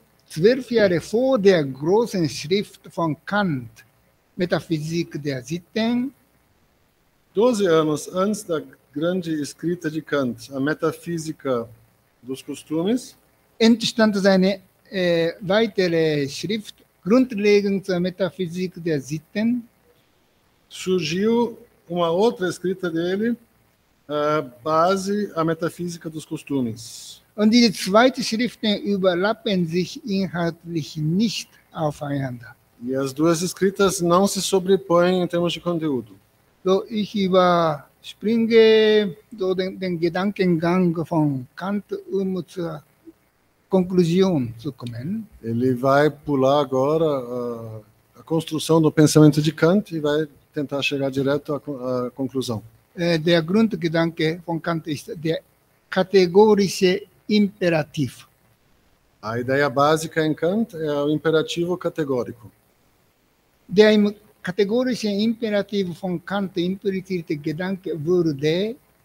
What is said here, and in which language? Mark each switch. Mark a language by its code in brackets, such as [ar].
[de] 12 Jahre vor der großen Schrift von Kant, Metaphysik der Sitten. [pt] 12 anos antes da grande escrita de Kant, a Metafísica dos Costumes, [de] entstand seine weitere Schrift, Grundlegung zur Metaphysik der Sitten. [pt] Surgiu uma outra escrita dele, Base a Metafísica dos Costumes. [de] Und diese zweite Schriften überlappen sich inhaltlich nicht aufeinander. [pt] E as duas escritas não se sobrepõem em termos de conteúdo. [de] So, ich überspringe so den Gedankengang von Kant, zur Konklusion zu kommen. [pt] Ele vai pular agora a construção do pensamento de Kant e vai tentar chegar direto à conclusão. [de] Der Grundgedanke von Kant ist der kategorische Imperativ. [pt] A ideia básica em Kant é o imperativo categórico. [de] Der kategorische Imperativ von Kant implizierte Gedanke wurde.